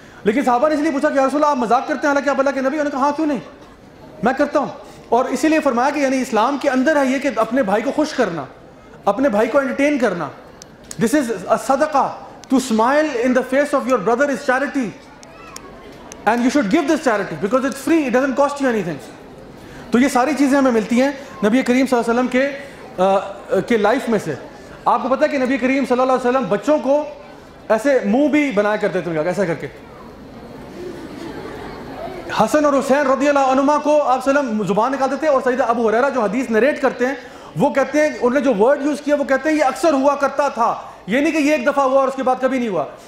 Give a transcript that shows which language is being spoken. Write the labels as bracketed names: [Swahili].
[Urdu] لیکن صحابہ نے اس لیے پوچھا کہ یا رسول اللہ آپ مذاق کرتے ہیں حالانکہ آپ اللہ کے نبی. انہوں نے کہا ہاں کیوں نہیں, میں کرتا ہوں. اور اسی لیے فرمایا کہ یعنی اسلام کے اندر ہے یہ کہ اپنے بھائی کو خوش کرنا, اپنے بھائی کو انٹرٹین کرنا, [English] This is a صدقہ, to smile in the face of your brother is charity. And you should give this charity because it's free, it doesn't cost you anything. [Urdu] تو یہ ساری چیزیں ہمیں ملتی ہیں نبی کریم صلی اللہ علیہ وسلم کے لائف میں سے. آپ کو پتہ ہے کہ نبی کریم صلی اللہ علیہ وسلم بچوں کو ایسے منہ بھی بنایا کرتے تھے, ایسا کر کے. حسن اور حسین رضی اللہ عنہما کو آپ صلی اللہ علیہ وسلم زبان نکالتے تھے. اور سیدہ ابو ہریرہ جو حدیث نریٹ کرتے ہیں وہ کہتے ہیں انہوں نے جو ورڈ یوز کیا وہ کہتے ہیں یہ اکثر ہوا کرتا تھا, یہ نہیں کہ یہ ایک دفعہ ہوا اور اس کے بعد کبھی نہیں ہوا.